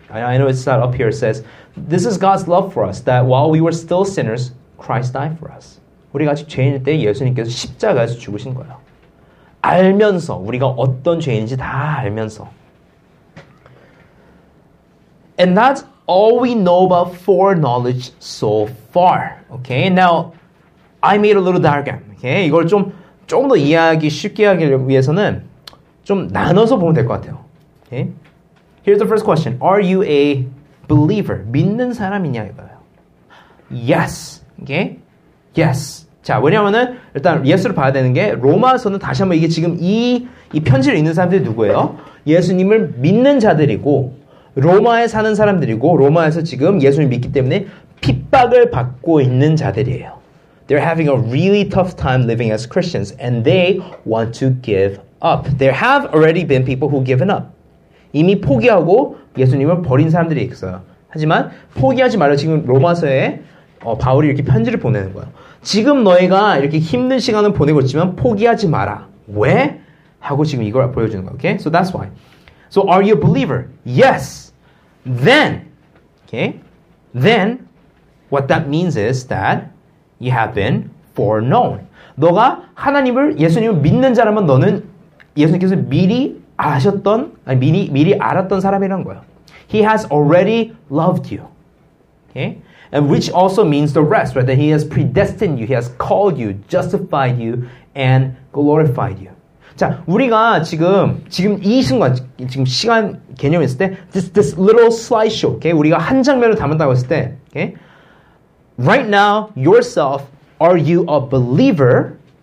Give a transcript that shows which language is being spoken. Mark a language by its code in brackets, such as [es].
[en] I know it's not up here. It says, This is God's love for us, that while we were still sinners, Christ died for us. [ko] 우리가 아직 죄인일 때 예수님께서 십자가에서 죽으신 거예요. 알면서, 우리가 어떤 죄인인지 다 알면서. [en] And that's all we know about foreknowledge so far. Okay? Now, I made a little diagram. Okay? [ko] 이걸 좀 조금 더 이해하기 쉽게 하기 위해서는 좀 나눠서 보면 될 것 같아요. [en] Okay? Here's the first question. Are you a believer? [ko] 믿는 사람이냐 이거예요. [en] Yes. Okay? Yes. [ko] 자, 왜냐하면은 일단 yes를 봐야 되는 게 로마서는 다시 한번 이게 지금 이 편지를 읽는 사람들이 누구예요? 예수님을 믿는 자들이고 로마에 사는 사람들이고 로마에서 지금 예수님 믿기 때문에 핍박을 받고 있는 자들이에요. [en] They're having a really tough time living as Christians, and they want to give up. There have already been people who've given up. [ko] 이미 포기하고 예수님을 버린 사람들이 있어요. 하지만 포기하지 말라. 지금 로마서에 바울이 이렇게 편지를 보내는 거예요. 지금 너희가 이렇게 힘든 시간을 보내고 있지만 포기하지 마라. 왜? 하고 지금 이걸 보여주는 거예요. [en] Okay? So that's why. So are you a believer? Yes. Then, okay? Then, what that means is that you have been foreknown. [ko] 너가 하나님을, 예수님을 믿는 자라면 너는 예수님께서 미리 아셨던, 아니 미리 알았던 사람이란 거예요. [en] He has already loved you. Okay? And which also means the rest, right? That he has predestined you, he has called you, justified you, and glorified you. [ko] 자, 우리가 지금 이 순간, 지금 시간 개념 있을 때, [en] this little slideshow, [ko] okay? 우리가 한 장면을 담은다고 했을 때, [en] okay? Right now, yourself, are you a believer?